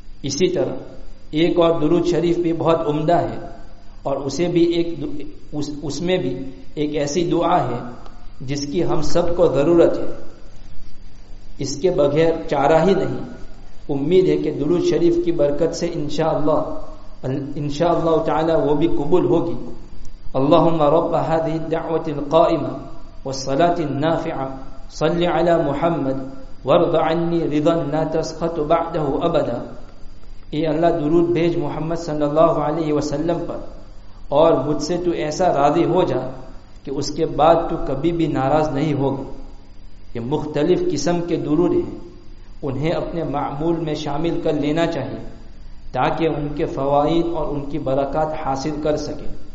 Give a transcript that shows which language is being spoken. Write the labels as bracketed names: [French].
[Urdu] اسی طرح ایک اور درود شریف بھی بہت عمدہ ہے, اور اسے بھی اس میں بھی ایک ایسی دعا ہے جس کی ہم سب کو ضرورت ہے, اس کے بغیر چارہ ہی نہیں. امید ہے کہ درود شریف کی برکت سے انشاءاللہ تعالی وہ بھی قبول ہوگی. [Arabic] اللهم رب هذه الدعوة القائمة والصلاة النافعة صل على محمد وارض عني رضا لا تسخط بعده أبدا. [Urdu] اے اللہ درود بھیج محمد صلی اللہ علیہ وسلم پر, اور مجھ سے تو ایسا راضی ہو جا کہ اس کے بعد تو کبھی بھی ناراض نہیں ہوگا. یہ مختلف قسم کے درود ہیں, انہیں اپنے معمول میں شامل کر لینا چاہیے تاکہ ان کے فوائد اور ان کی برکات حاصل کر سکیں.